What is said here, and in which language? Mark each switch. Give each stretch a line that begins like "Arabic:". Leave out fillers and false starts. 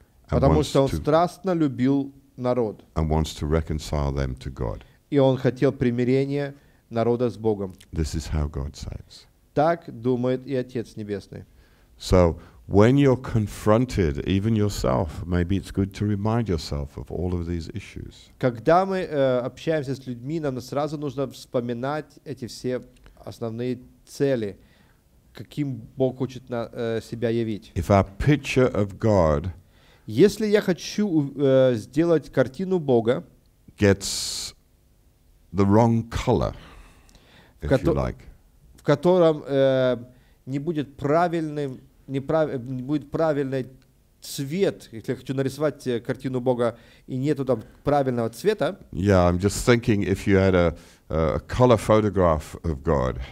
Russian: Потому что он страстно любил народ.
English: And wants to reconcile them to God.
Russian: И он хотел примирения народа с Богом.
English: This is how God says.
Russian: Так думает и Отец Небесный.
English: So when you're confronted, even yourself, maybe it's good to remind yourself of all of these issues.
Russian: Когда мы общаемся с людьми, нам сразу нужно вспоминать эти все основные цели, каким Бог хочет себя явить.
English: If our picture of God,
Russian: если я хочу сделать картину Бога,
English: gets the wrong color, if you like,
Russian: в котором не будет правильным, не будет правильный цвет, если я хочу нарисовать картину Бога и нету там правильного цвета.
English: Yeah, I'm just thinking if you had a color photograph of God.